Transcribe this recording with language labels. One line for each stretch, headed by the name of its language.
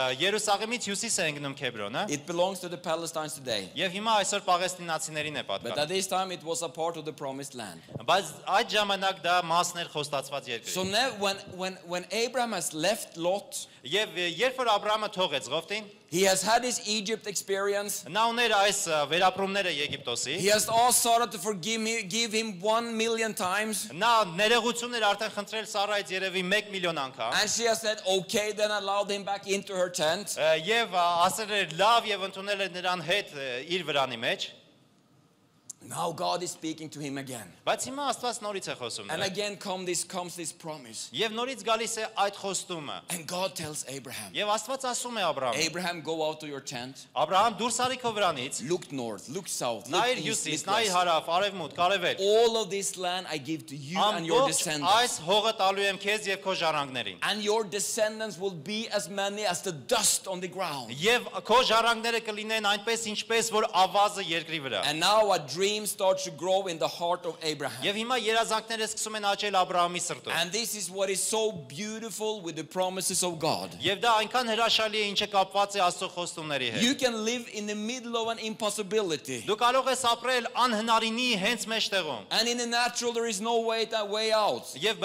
Armenian: Երուսաղեմից հյուսիս է ընկնում Քեբրոնը.
English: It belongs to the Palestinians today.
Armenian: Եվ հիմա այսօր Պաղեստինացիներին է պատկանում.
English: But at this time it was a part of the promised land.
Armenian: Բայց այդ ժամանակ դա մասն էր խոստացված երկրի։
English: So now when Abraham has left Lot,
Armenian: Եվ երբ որ Աբրահամը թողեց Ղովտին,
English: he has had his Egypt experience.
Armenian: Նա ուներ այս վերապրումները Եգիպտոսի։
English: He has asked Sarah to forgive him 1,000,000 times.
Armenian: Նա ներողություններ արդեն խնդրել Սառայից երևի 1 միլիոն անգամ։
English: And she has said okay, then allowed him back into her tent.
Armenian: Եվ ասել էր լավ եւ ընդունել էր նրան հետ իր վրանի մեջ։
English: Now God is speaking to him again.
Armenian: Բայց հիմա Աստված նորից է խոսում նրան։
English: And again comes this promise.
Armenian: Եվ նորից գալիս է այդ խոստումը։
English: And God tells Abraham.
Armenian: Եվ Աստված ասում է Աբրահամին։
English: Abraham, go out to your tent.
Armenian: Աբրահամ, դուրս արի քո վրանից։
English: Look north, look south, look east, look west.
Armenian: Նայ հարավ, արևմուտք, արևելք։
English: All of this land I give to you and your descendants.
Armenian: Այս հողը տալու եմ քեզ եւ քո ժառանգներին։
English: And your descendants will be as many as the dust on the ground.
Armenian: Եվ քո ժառանգները կլինեն այնպես ինչպես որ ավազը երկրի վրա։
English: And now a dream dreams start to grow in the heart of Abraham. And this is what is so beautiful with the promises of God. You can live in the middle of an impossibility. And in the natural, there is no way that way out.